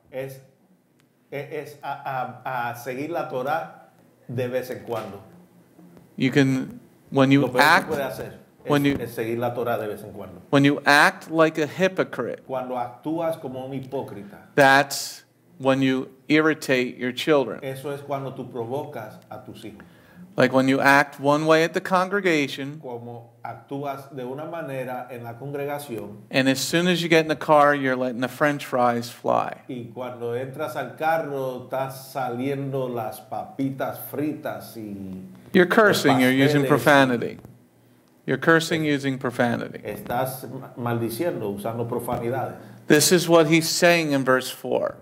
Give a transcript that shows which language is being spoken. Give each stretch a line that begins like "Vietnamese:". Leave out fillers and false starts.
Spanish: Es a seguir la Torah de vez en cuando.
English: You can, when you act,
Spanish: es seguir la Torah de vez en cuando.
English: When you act like a hypocrite,
Spanish: cuando actúas como un hipócrita,
English: that's when you irritate your children.
Spanish: Eso es cuando tú provocas a tus hijos.
English: Like when you act one way at the congregation,
Spanish: como actúas de una manera en la congregación,
English: and as soon as you get in the car, you're letting the French fries fly.
Spanish: Y cuando entras al carro, estás saliendo las papitas fritas y
English: you're cursing, you're using profanity. You're cursing using profanity.
Spanish: Estás maldiciendo, usando profanidades.
English: This is what he's saying in verse 4.